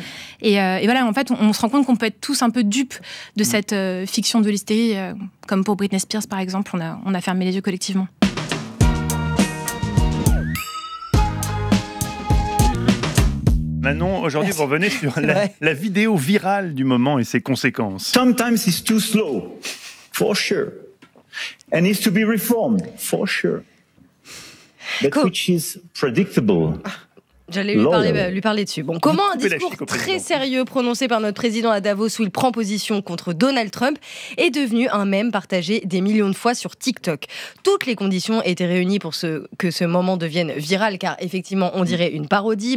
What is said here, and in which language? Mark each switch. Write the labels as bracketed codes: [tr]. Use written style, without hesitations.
[fr] » Et voilà, en fait, on se rend compte qu'on peut être tous un peu dupes de cette fiction de l'hystérie, comme pour Britney Spears, par exemple, on a fermé les yeux collectivement. Manon, aujourd'hui, vous revenez sur la vidéo virale du moment et ses conséquences. [en] Sometimes it's too slow, for sure. And needs to be reformed, for sure. But which is predictable. [fr] J'allais lui parler dessus. Bon, comment un discours très sérieux prononcé par notre président à Davos où il prend position contre Donald Trump est devenu un mème partagé des millions de fois sur TikTok. Toutes les conditions étaient réunies pour que ce moment devienne viral, car effectivement, on dirait une parodie.